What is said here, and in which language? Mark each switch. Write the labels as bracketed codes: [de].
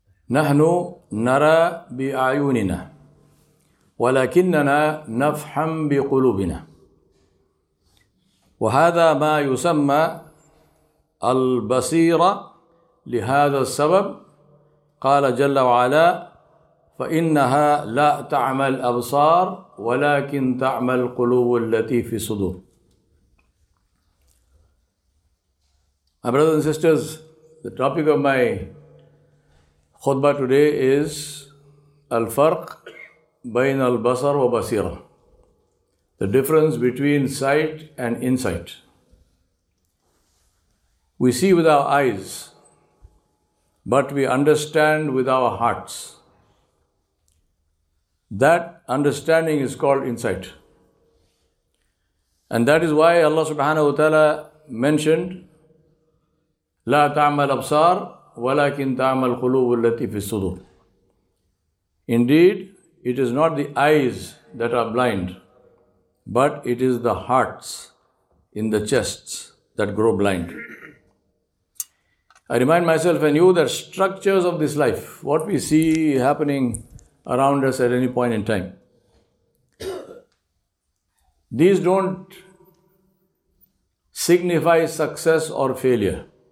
[ar] نحن نرى بأعيننا، ولكننا نفهم بقلوبنا، وهذا ما يسمى البصيرة. لهذا السبب قال جل وعلا: فإنها لا تعمى الأبصار ولكن تعمى القلوب التي في الصدور. [en] My brothers and sisters, the topic of my khutbah today is [ar] al-farq bayn al-basar wa basira, [en] the difference between sight and insight. We see with our eyes, but we understand with our hearts. That understanding is called insight. And that is why Allah subhanahu wa ta'ala mentioned [ar] لا تعمل أبصار ولكن تعمل قلوب التي في الصدور. [en] Indeed, it is not the eyes that are blind, but it is the hearts in the chests that grow blind. I remind myself and you that structures of this life, what we see happening around us at any point in time, these don't signify success or failure.